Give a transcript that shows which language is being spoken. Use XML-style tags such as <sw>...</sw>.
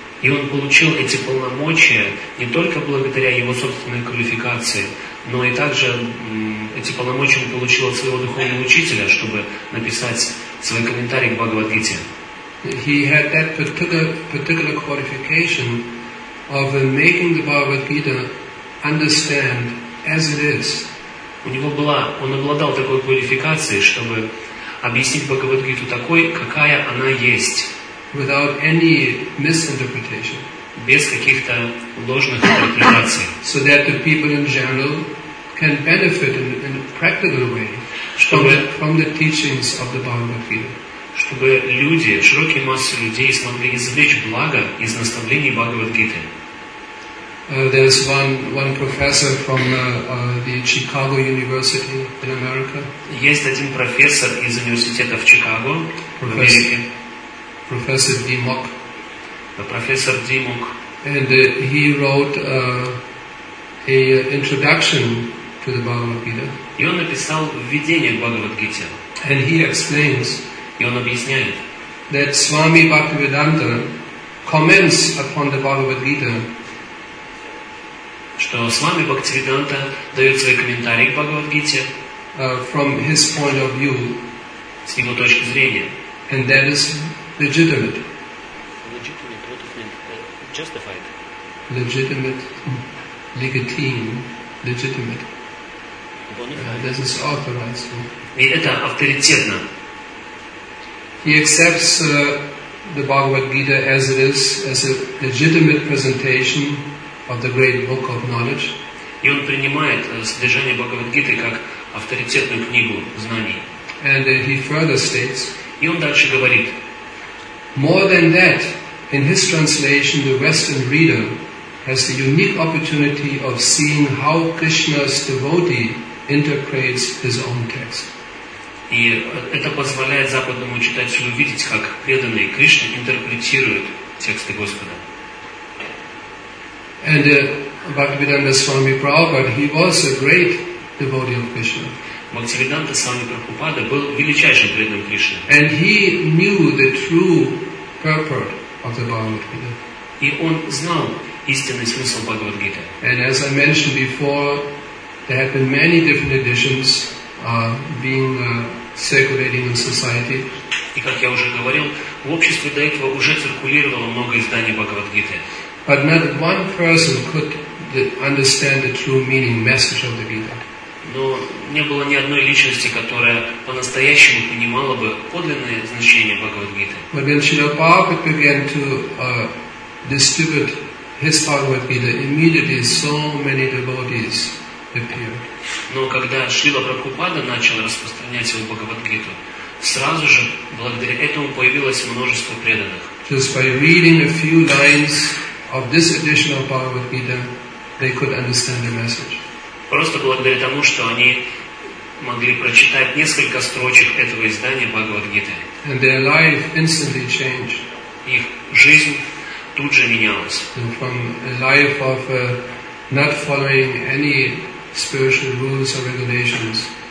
<ru>И он получил эти полномочия не только благодаря его собственной квалификации, но и также эти полномочия он получил от своего духовного учителя, чтобы написать свой комментарий к Бхагавад-гите.</ru> <en>He had that particular qualification of making the Bhagavad-gita understand as it is.</en> <ru>Он обладал такой квалификацией, чтобы объяснить Бхагавад-гиту такой, какая она есть.</ru> <en>Without any misinterpretation.</en> <ru>Без каких-то ложных интерпретаций.</ru> <en>So that the people in general can benefit in a practical way from the teachings of the Bhagavad Gita.</en> <ru>Чтобы люди, широкие массы людей смогли извлечь благо из наставлений Бхагавад Гиты.</ru> <en>There's one professor from the Chicago University in America.</en> <ru>Есть один профессор из университета в Чикаго, в Америке.</ru> <en>Professor Dimok. Professor Dimok. And he wrote an introduction to the Bhagavad Gita.</en> <ru>И он написал введение к Бхагавад Гите.</ru> <en>And he explains.</en> <ru>И он объясняет.</ru> <en>That Swami Bhaktivedanta comments upon the Bhagavad Gita.</en> <ru>Что Свами Бхактивиданта дает свои комментарии к Бхагавад Гите.</ru> <en>From his point of view.</en> <ru>С его точки зрения.</ru> <en>And that is legitimate. Legitimate, what it meant? Justified. Legitimate, legitime, legitimate. This is authorized.</en> <ru>И это авторитетно.</ru> <en>He accepts the Bhagavad Gita as it is, as a legitimate presentation of the great book of knowledge.</en> <ru>И он принимает содержание Бхагавад Гиты как авторитетную книгу знаний.</ru> <en>And he further states.</en> <ru>И он дальше говорит.</ru> <en>More than that, in his translation, the Western reader has the unique opportunity of seeing how Krishna's devotee interprets his own text.</en> <ru>И это позволяет западному читателю видеть, как преданный Кришна интерпретирует тексты Господа.</ru> <en>And Bhaktivedanta Swami Prabhupada, he was a great devotee of Krishna.</en> <ru>Бхактивиданта Свами Прабхупада был величайшим преданным Кришны.</ru> <en>And he knew the true purport of the Bhagavad Gita.</en> <ru>И он знал истинный смысл Бхагавад Гиты.</ru> <en>And as I mentioned before, there have been many different editions being circulating in society.</en> <ru>И как я уже говорил, в обществе до этого уже циркулировало много изданий Бхагавад Гиты.</ru> <en>But not one person could understand the true meaning message of the Gita.</en> <ru>Но не было ни одной личности, которая по-настоящему понимала бы подлинное значение Бхагавад-гиты.</ru> <en>But when Srila Prabhupada began to distribute his Bhagavad-gita, immediately so many devotees appeared.</en> <ru>Но когда Шрила Прабхупада начал распространять свою Бхагавад-гиту, сразу же благодаря этому появилось множество преданных.</ru> <en>Just by reading a few lines of this edition of Bhagavad-gita, they could understand the message.</en> <ru>Просто благодаря тому, что они могли прочитать несколько строчек этого издания Бхагавад-гиты.</ru> <en>And their life instantly changed.</en> <ru>Их жизнь тут же менялась.</ru> <en>And from a life of not following any spiritual rules or regulations.</en>